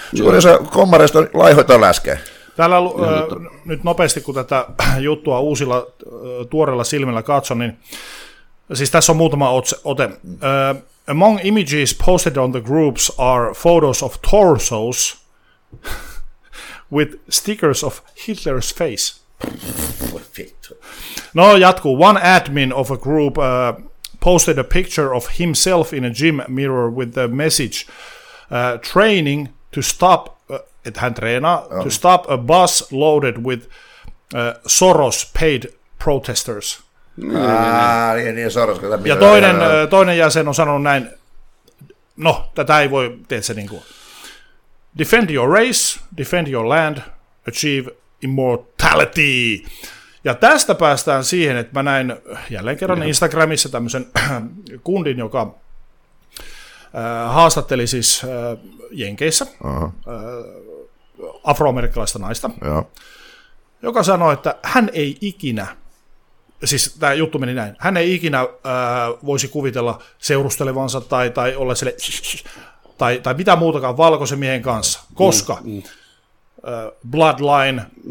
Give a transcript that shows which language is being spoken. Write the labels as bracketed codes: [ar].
[fi] Suurin osa kommareista on laihoita läskeä. Täällä nyt nopeasti, kun tätä juttua uusilla tuoreilla silmillä katson, niin siis tässä on muutama ote. [en] Among images posted on the groups are photos of torsos with stickers of Hitler's face. [fi] No, jatkuu. [en] One admin of a group posted a picture of himself in a gym mirror with the message training to stop to stop a bus loaded with Soros paid protesters. [fi] Niin, Soros. Ja toinen jäsen on sanonut näin, no, tätä ei voi tehdä se niin kuin. [en] Defend your race, defend your land, achieve immortality. [fi] Ja tästä päästään siihen, että mä näin jälleen kerran Instagramissa tämmöisen kundin, joka haastatteli siis Jenkeissä afroamerikkalaista naista, joka sanoi, että hän ei ikinä, siis tämä juttu meni näin, hän ei ikinä voisi kuvitella seurustelevansa tai olla sille tai mitä muutakaan valkoisen miehen kanssa, koska bloodline,